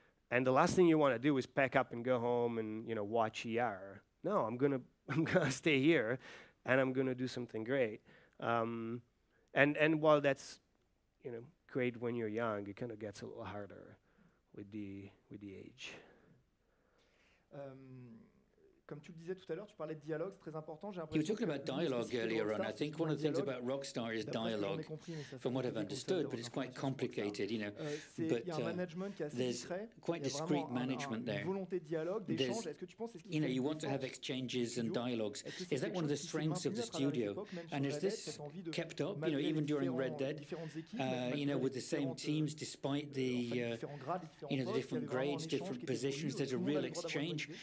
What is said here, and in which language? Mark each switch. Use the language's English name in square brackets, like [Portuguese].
[English] And the last thing you want to do is pack up and go home and, you know, watch ER. No, I'm gonna stay here, and I'm gonna do something great. And while that's, you know, great when you're young, it kind of gets a little harder with the age. [French] Comme tu le disais tout à l'heure, tu parlais de dialogue, c'est très important. [English] You were talking about dialogue earlier on. I think one of the things about Rockstar is dialogue, from what I've understood, but it's quite complicated, you know. But there's quite discreet management there. You know, you want to have exchanges and dialogues. Is that one of the strengths of the studio? And is this kept up, you know, even during Red Dead, you know, with the same teams, despite the, you know, the different grades, different positions, there's a real exchange.